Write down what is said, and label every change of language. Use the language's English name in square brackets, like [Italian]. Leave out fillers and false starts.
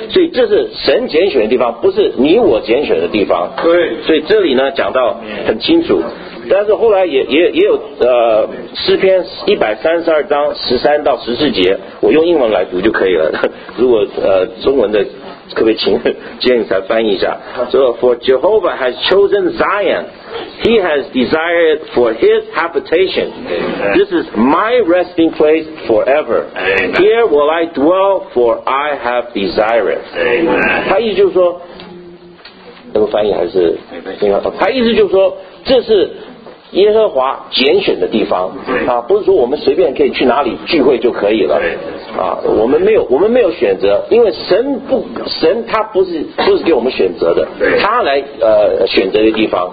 [Chinese] 所以这是神拣选的地方，不是你我拣选的地方。对。所以这里呢讲到很清楚。但是后来也有诗篇一百三十二章十三到十四节，我用英文来读就可以了。如果中文的，可不可以请James来翻译一下？ [English] 说 For Jehovah has chosen Zion, He has desired for His habitation. This is my resting place forever. Here will I dwell, for I have desired. [Chinese] 他意思就是说，那个翻译还是，他意思就是说，这是。耶和华拣选的地方啊，不是说我们随便可以去哪里聚会就可以了啊，我们没有选择，因为神他不是给我们选择的，他来选择的地方